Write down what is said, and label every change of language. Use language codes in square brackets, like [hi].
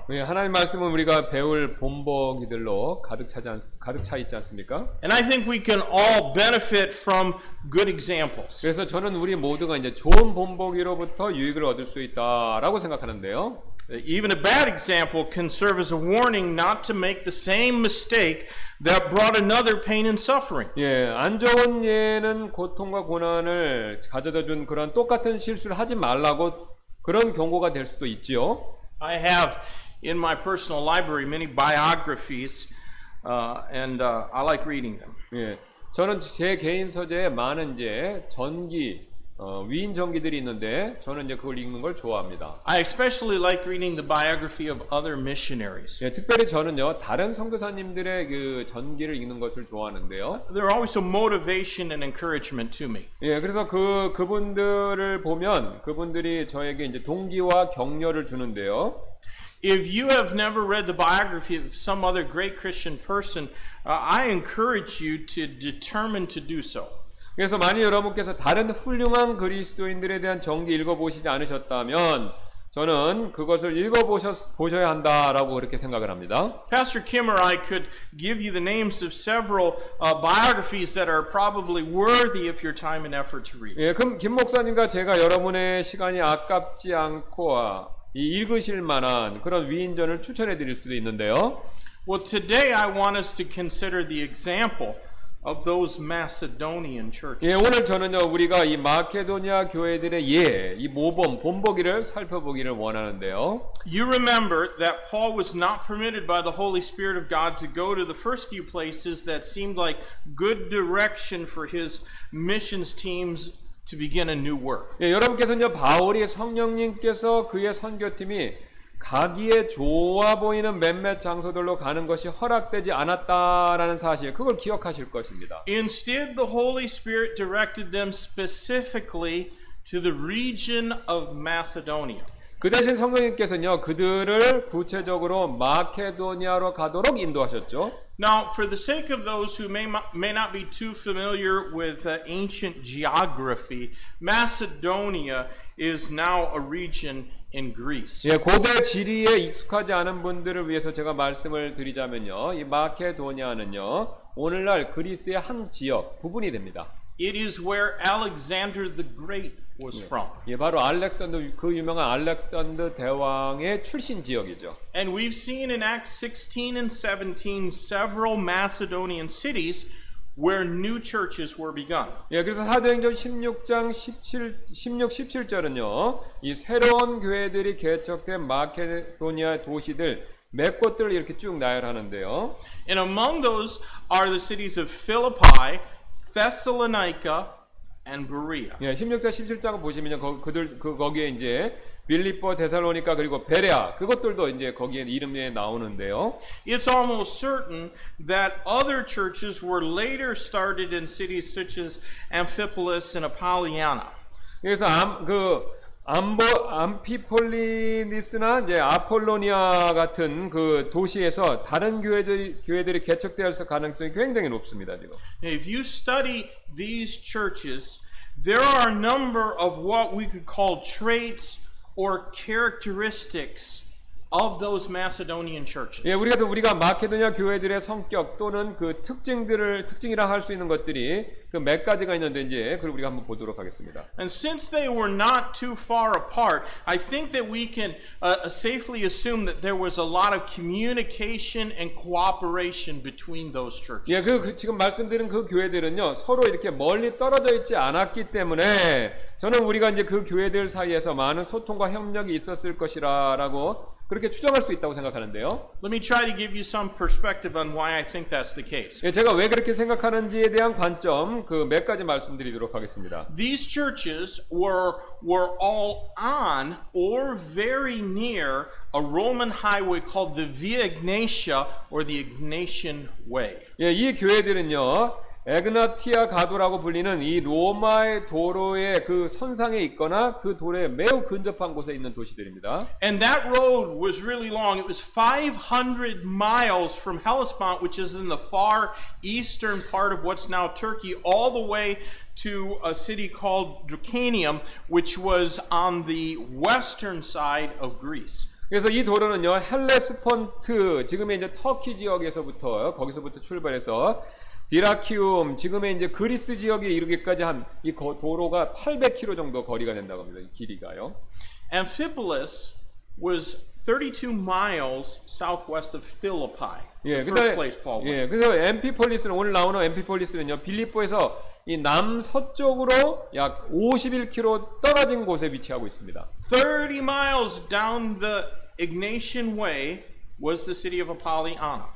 [ko] 예, 하나님 말씀은 우리가 배울 본보기들로 가득 차 있지 않습니까? [en] And I think we can all benefit from good examples. [ko] 그래서 저는 우리 모두가 이제 좋은 본보기로부터 유익을 얻을 수 있다라고 생각하는데요. [en] Even a bad example can serve as a warning not to make the same mistake that brought another pain and suffering. [ko] 예, 안 좋은 예는 고통과 고난을 가져다 준 그런 똑같은 실수를 하지 말라고 그런 경고가 될 수도 있지요. [en] I have in my personal library many biographies, and I like reading them. [ko] 예, 저는 제 개인 서재에 많은 이제 전기 위인 전기들이 있는데 저는 이제 그걸 읽는 걸 좋아합니다. [en] I especially like reading the biography of other missionaries. [ko] 예, 특별히 저는요 다른 선교사님들의 그 전기를 읽는 것을 좋아하는데요. [en] They're always a motivation and encouragement to me. [ko] 예, 그래서 그분들을 보면 그분들이 저에게 이제 동기와 격려를 주는데요. [en] If you have never read the biography of some other great Christian person, I encourage you to determine to do so. [ko] 그래서 만약 여러분께서 다른 훌륭한 그리스도인들에 대한 전기 읽어보시지 않으셨다면 저는 그것을 읽어보셔야 한다라고 그렇게 생각을 합니다. [en] Pastor Kim or I could give you the names of several biographies that are probably worthy of your time and effort to read. [ko] 예, 그럼 김 목사님과 제가 여러분의 시간이 아깝지 않고 읽으실 만한 그런 위인전을 추천해 드릴 수도 있는데요. [en] Well, today I want us to consider the example of those Macedonian churches. [ko] 예, 오늘 저는요 우리가 이 마케도니아 교회들의 예, 이 모범 본보기를 살펴보기를 원하는데요. [en] You remember that Paul was not permitted by the Holy Spirit of God to go to the first few places that seemed like good direction for his missions teams to begin a new work. [ko] 예, 여러분께서는요 바울이 성령님께서 그의 선교팀이 가기에 좋아 보이는 몇몇 장소들로 가는 것이 허락되지 않았다라는 사실 그걸 기억하실 것입니다. [en] Instead, the Holy Spirit directed them specifically to the region of Macedonia. [ko] 그 대신 성령님께서는요, 그들을 구체적으로 마케도니아로 가도록 인도하셨죠. [en] Now, for the sake of those who may not be too familiar with ancient geography, Macedonia is now a region in Greece. [ko] 예, 고대 지리에 익숙하지 않은 분들을 위해서 제가 말씀을 드리자면요, 이 마케도니아는요, 오늘날 그리스의 한 지역 부분이 됩니다. [en] It is where Alexander the Great was from. [ko] 예, 바로 알렉산더 그 유명한 알렉산더 대왕의 출신 지역이죠. [en] And we've seen in Acts 16 and 17 several Macedonian cities where new churches were begun. [ko] 예, 그래서 사도행전 16장 17절은요. 이 새로운 교회들이 개척된 마케도니아 도시들 몇 곳들을 이렇게 쭉 나열하는데요. [en] And among those are the cities of Philippi, Thessalonica, and Berea. [ko] 예, 16장 17장을 보시면 거기에 이제 빌립보, 데살로니카 그리고 베레아 그것들도 이제 거기에 이름에 나오는데요. [en] It's almost certain that other churches were later started in cities such as Amphipolis and Apollonia. [ko] 그래서 암피폴리니스나 이제 아폴로니아 같은 그 도시에서 다른 교회들이 개척될 가능성이 굉장히 높습니다 지금. [en] If you study these churches, there are a number of what we could call traits or characteristics of those Macedonian churches. [ko] 예, 우리가 마케도니아 교회들의 성격 또는 그 특징이라 할 수 있는 것들이 그 몇 가지가 있는데 이제 그걸 우리가 한번 보도록 하겠습니다. [en] And since they were not too far apart, I think that we can safely assume that there was a lot of communication and cooperation between those churches. [ko] 예, 그 지금 말씀드린 그 교회들은요. 서로 이렇게 멀리 떨어져 있지 않았기 때문에 저는 우리가 이제 그 교회들 사이에서 많은 소통과 협력이 있었을 것이라라고 그렇게 추정할 수 있다고 생각하는데요. [en] Let me try to give you some perspective on why I think that's the case. [ko] 예, 제가 왜 그렇게 생각하는지에 대한 관점 그 몇 가지 말씀드리도록 하겠습니다. [en] These churches were all on or very near a Roman highway called the Via Ignatia or the Ignatian Way. [ko] 예, 이 교회들은요. 에그나티아 가도라고 불리는 이 로마의 도로의 그 선상에 있거나 그 도로에 매우 근접한 곳에 있는 도시들입니다. [en] And that road was really long. It was 500 miles from Hellespont, which is in the far eastern part of what's now Turkey, all the way to a city called Drakanium, which was on the western side of Greece. [ko] 그래서 이 도로는요, 헬레스폰트 지금의 이제 터키 지역에서부터 거기서부터 출발해서 디라키움 지금의 이제 그리스 지역에 이르기까지 한 이 도로가 800km 정도 거리가 된다고 합니다. 길이가요. [en] Amphipolis was 32 miles southwest of Philippi. [ko] 예, 근데, [en] first place Paul went. [ko] 예, 그래서 엠피폴리스는 오늘 나오는 엠피폴리스는요. 빌립보에서 이 남서쪽으로 약 51km 떨어진 곳에 위치하고 있습니다. [en] 30 miles down the Ignatian Way was the city of Apollonia.